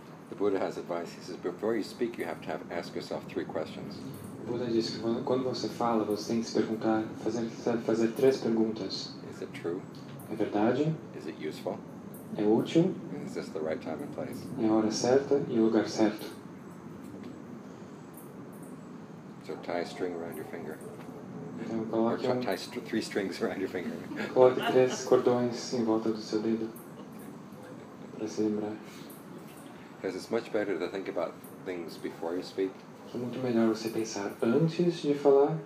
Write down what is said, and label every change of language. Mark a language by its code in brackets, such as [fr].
[en] The Buddha has advice. He says, before you speak, you have to ask yourself three questions. [pt] O Buddha diz que quando você fala, você tem que se perguntar, fazer três perguntas. [en] Is it true? [pt] É verdade? [en] Is it useful? [pt] É útil? [en] And is this the right time and place? [pt] É a hora certa e o lugar certo. [en] So tie a string around your finger. [pt] Então, [en] tie three strings around your finger. [pt] Coloque três cordões em volta do seu dedo para se lembrar. [en] Because it's much better to think about things before you speak. [pt] É muito melhor você pensar antes de falar.